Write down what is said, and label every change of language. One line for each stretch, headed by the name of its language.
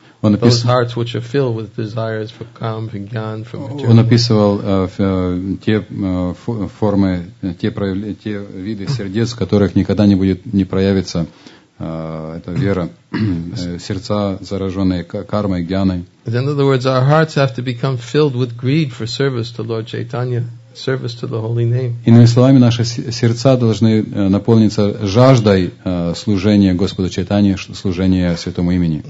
English: Those hearts which are filled with desires for kaam, for gyan, for material.
Russian: Он описывал формы, те виды сердец, в которых никогда не будет не проявится эта вера, сердца, зараженные кармой, гьяной.
English: In other words, our hearts have to become filled with greed for service to Lord Chaitanya, service to the holy name.
Russian: Иными словами, наши сердца должны наполниться жаждой служения Господу Чайтанье, служения Святому имени.